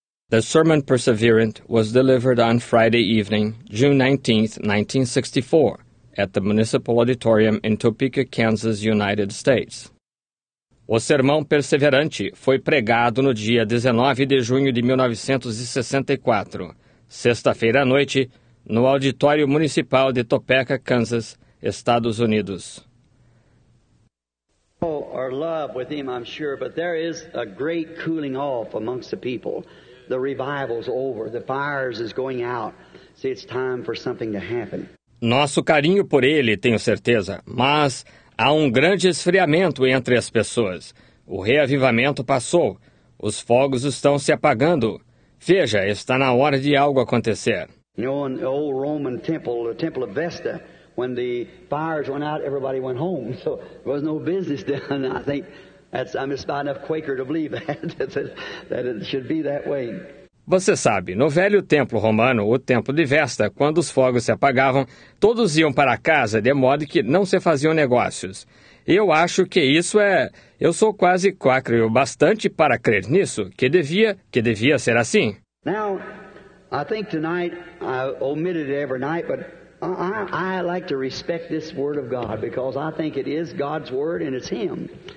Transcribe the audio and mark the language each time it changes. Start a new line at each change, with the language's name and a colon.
English: The Sermon Perseverant was delivered on Friday evening, June 19, 1964, at the Municipal Auditorium in Topeka, Kansas, United States.
Portuguese: O Sermão Perseverante foi pregado no dia 19 de junho de 1964, sexta-feira à noite, no Auditório Municipal de Topeka, Kansas, Estados Unidos.
English: Or love with him, I'm sure, but there is a great cooling off amongst the people. The revival's over, the fires is going out. See, it's time for something to happen.
Portuguese: Nosso carinho por ele, tenho certeza, mas há um grande esfriamento entre as pessoas. O reavivamento passou, os fogos estão se apagando. Veja, está na hora de algo acontecer.
English: You know, in the old Roman temple, the temple of Vesta, when the fires went out, everybody went home. So there was no business done. I think that's, I'm just not enough Quaker to believe that it should be that way.
Portuguese: Você sabe, no velho templo romano, o templo de Vesta, quando os fogos se apagavam, todos iam para casa, de modo que não se faziam negócios. Eu acho que isso é... Eu sou quase Quaker o bastante para crer nisso, que devia ser assim.
English: Now, I think tonight, I omitted it every night, but... I like to respect this word of God because I think it is God's word and it's Him.